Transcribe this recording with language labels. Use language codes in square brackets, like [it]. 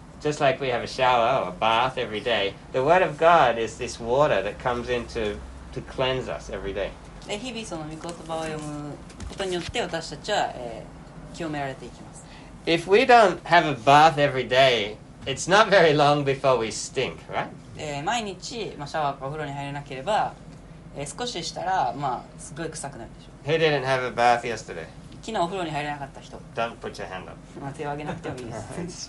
[en] Just like we have a shower or a bath every day, the Word of God is this water that comes in to cleanse us every day. [ja] で、日々その御言葉を読むことによって私たちは、清められていきます。 [en] If we don't have a bath every day, it's not very long before we stink, right? [ja] 毎日、まあ、シャワーかお風呂に入れなければ、少ししたら、まあ、すごい臭くなるでしょう。 [en] Who didn't have a bath yesterday? [ja] 昨日お風呂に入れなかった人。 [en] Don't put your hand up. [ja] 手を挙げなくてもいいです。